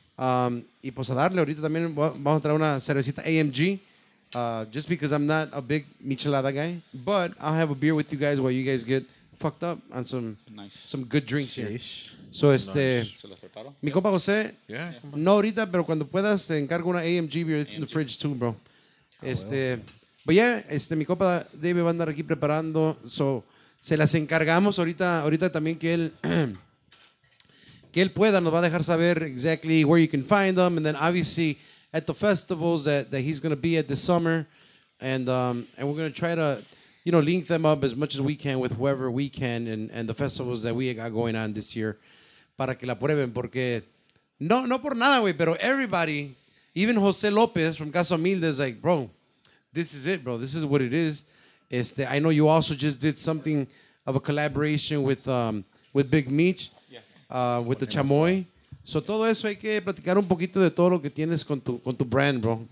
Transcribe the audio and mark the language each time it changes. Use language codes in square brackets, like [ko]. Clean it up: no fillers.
[es] Y pues a darle, ahorita también vamos a traer una cervecita AMG. [en] Just because I'm not a big Michelada guy. But I'll have a beer with you guys while you guys get fucked up on some some good drinks here. [es] So, mi compa José, no ahorita, pero cuando puedas, te encargo una AMG beer. [en] It's AMG. In the fridge too, bro. But yeah, [es] mi compa David va a andar aquí preparando. So, se las encargamos ahorita, también que él... que él pueda, nos va a dejar saber exactly [en] where you can find them, and then obviously at the festivals that he's going to be at this summer, and we're going to try to, you know, link them up as much as we can with whoever we can, and the festivals that we got going on this year, [es] para que la prueben, porque no por nada, güey, [en] pero everybody, even José López from Casa Humilde is like, bro, this is it, bro, this is what it is. I know you also just did something of a collaboration with Big Meech, with the chamoy. [es] So todo eso hay que platicar un poquito de todo lo que tienes con tu [en] brand, bro.